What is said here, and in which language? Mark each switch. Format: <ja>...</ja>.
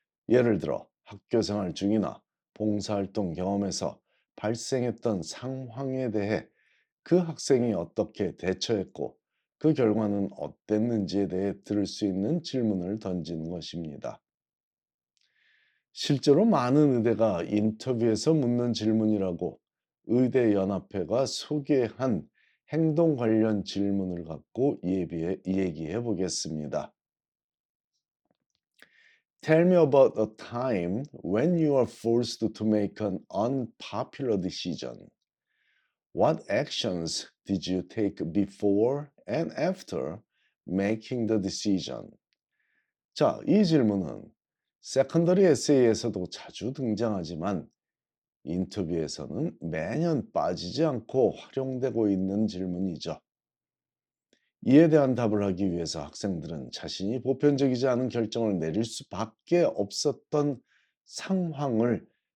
<ko>예를 들어 학교 생활 중이나 봉사활동 경험에서 발생했던 상황에 대해 그 학생이 어떻게 대처했고 그 결과는 어땠는지에 대해 들을 수 있는 질문을 던지는 것입니다. 실제로 많은 의대가 인터뷰에서 묻는 질문이라고 의대연합회가 소개한 행동 관련 질문을 갖고 예비해 얘기해 보겠습니다.</ko> <en>Tell me about a time when you were forced to make an unpopular decision. What actions did you take before and after making the decision?</en> <ko>자, 이 질문은 세컨더리 에세이에서도 자주 등장하지만 인터뷰에서는 매년 빠지지 않고 활용되고 있는 질문이죠. 이에 대한 답을 하기 위해서 학생들은 자신이 보편적이지 않은 결정을 내릴 수밖에 없었던 상황을</ko>